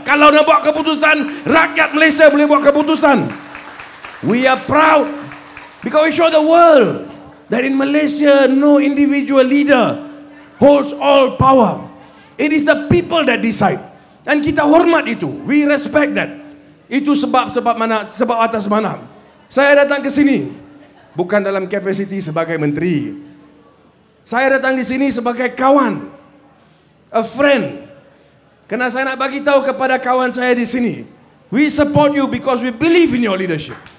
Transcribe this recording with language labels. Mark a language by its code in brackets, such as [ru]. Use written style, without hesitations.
[ms] Kalau nak buat keputusan, rakyat Malaysia boleh buat keputusan. [en] We are proud because we show the world that in Malaysia no individual leader holds all power. It is the people that decide. And [ms] kita hormat itu. [en] We respect that. [ms] Itu sebab-sebab mana, sebab atas mana saya datang ke sini. Bukan dalam capacity sebagai menteri. Saya datang di sini sebagai kawan. [en] A friend. [ms] Kerana saya nak bagi tahu kepada kawan saya di sini. [en] We support you because we believe in your leadership.